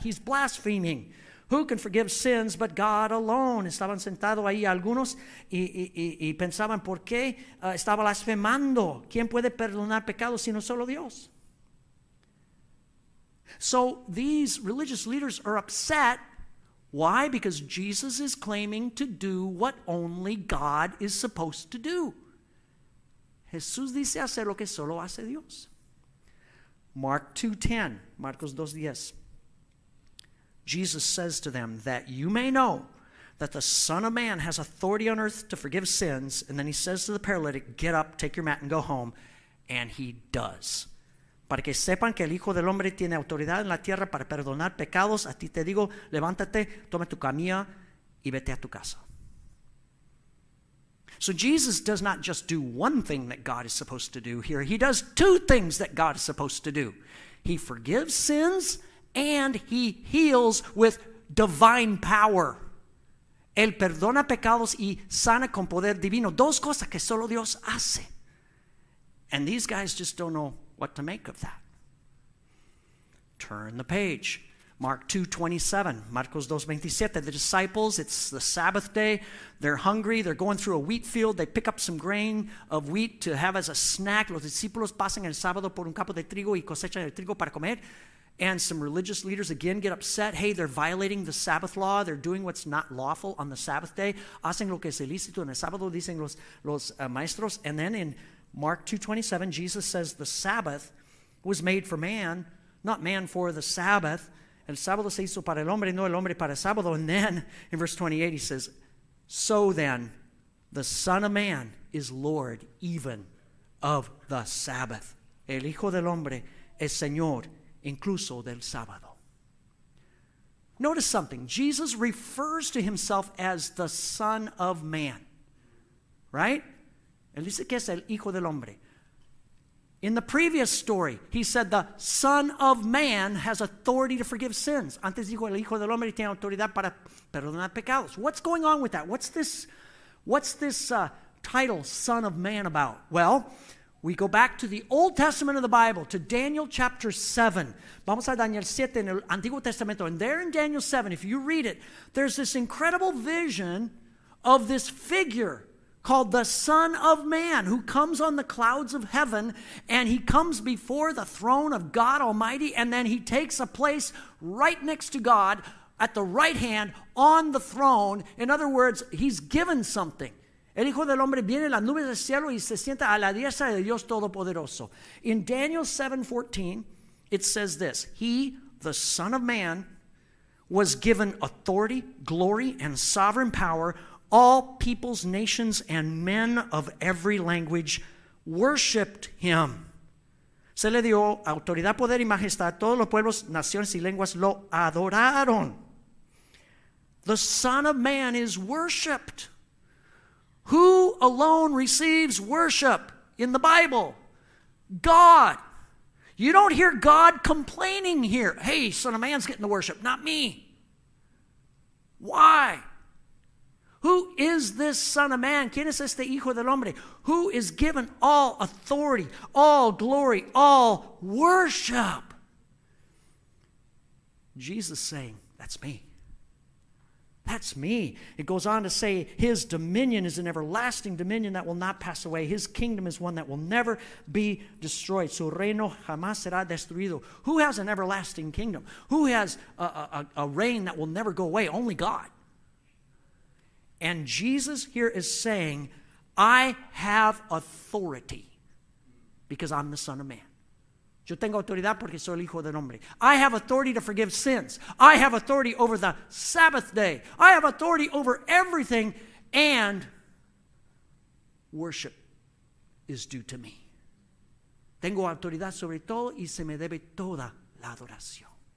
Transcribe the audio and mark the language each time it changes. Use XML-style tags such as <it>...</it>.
<en>He's blaspheming. Who can forgive sins but God alone?</en> <es>Estaban sentados ahí algunos y pensaban, ¿por qué estaba blasfemando? ¿Quién puede perdonar pecados sino solo Dios?</es> <en>So these religious leaders are upset. Why? Because Jesus is claiming to do what only God is supposed to do.</en> <es>Jesús dice hacer lo que solo hace Dios. Marcos 2:10.</es> <en>Jesus says to them, that you may know that the Son of Man has authority on earth to forgive sins. And then he says to the paralytic, get up, take your mat, and go home. And he does.</en> <es>Para que sepan que el Hijo del Hombre tiene autoridad en la tierra para perdonar pecados, a ti te digo, levántate, toma tu camilla, y vete a tu casa.</es> <en>So Jesus does not just do one thing that God is supposed to do here. He does two things that God is supposed to do. He forgives sins and he heals with divine power.</en> <es>Él perdona pecados y sana con poder divino. Dos cosas que solo Dios hace.</es> <en>And these guys just don't know what to make of that. Turn the page. Marcos 2:27. The disciples, it's the Sabbath day. They're hungry. They're going through a wheat field. They pick up some grain of wheat to have as a snack.</en> <es>Los discípulos pasan el sábado por un campo de trigo y cosechan el trigo para comer.</es> <en>And some religious leaders again get upset. Hey, they're violating the Sabbath law. They're doing what's not lawful on the Sabbath day.</en> <es>Hacen lo que es ilícito en el sábado, dicen los maestros.</es> <en>And then in Mark 2:27, Jesus says the Sabbath was made for man, not man for the Sabbath.</en> <es>El sábado se hizo para el hombre, no el hombre para el sábado.</es> <en>And then in verse 28, he says, so then the Son of Man is Lord even of the Sabbath.</en> <es>El Hijo del Hombre es Señor incluso del sábado.</es> <en>Notice something. Jesus refers to himself as the Son of Man, right?</en> <es>Él dice que es el Hijo del Hombre.</es> <en>In the previous story, he said the Son of Man has authority to forgive sins.</en> <es>Antes dijo el Hijo del Hombre tiene autoridad para perdonar pecados.</es> <en>What's going on with that? What's this title, Son of Man, about? Well, we go back to the Old Testament of the Bible, to Daniel chapter 7.</en> <es>Vamos a Daniel 7 en el Antiguo Testamento.</es> <en>And there in Daniel 7, if you read it, there's this incredible vision of this figure called the Son of Man, who comes on the clouds of heaven, and he comes before the throne of God Almighty, and then he takes a place right next to God at the right hand on the throne. In other words, he's given something.</en> <es>El Hijo del Hombre viene en las nubes del cielo y se sienta a la diestra de Dios Todopoderoso.</es> <en>In Daniel 7:14, it says this: he, the Son of Man, was given authority, glory, and sovereign power. All peoples, nations, and men of every language worshipped him.</en> <es>Se le dio autoridad, poder y majestad. Todos los pueblos, naciones y lenguas lo adoraron.</es> <en>The Son of Man is worshipped. Who alone receives worship in the Bible? God. You don't hear God complaining here. Hey, Son of Man's getting the worship, not me. Why? Who is this Son of Man?</en> <es>¿Quién es este Hijo del Hombre?</es> <en>Who is given all authority, all glory, all worship? Jesus saying, that's me. That's me. It goes on to say, his dominion is an everlasting dominion that will not pass away. His kingdom is one that will never be destroyed.</en> <es>Su reino jamás será destruido.</es> <en>Who has an everlasting kingdom? Who has a reign that will never go away? Only God. And Jesus here is saying, I have authority because I'm the Son of Man.</en> <es>Yo tengo autoridad porque soy el Hijo del Hombre.</es> <en>I have authority to forgive sins. I have authority over the Sabbath day. I have authority over everything, and worship is due to me.</en> <es>Tengo autoridad sobre todo y se me debe toda la adoración.</es>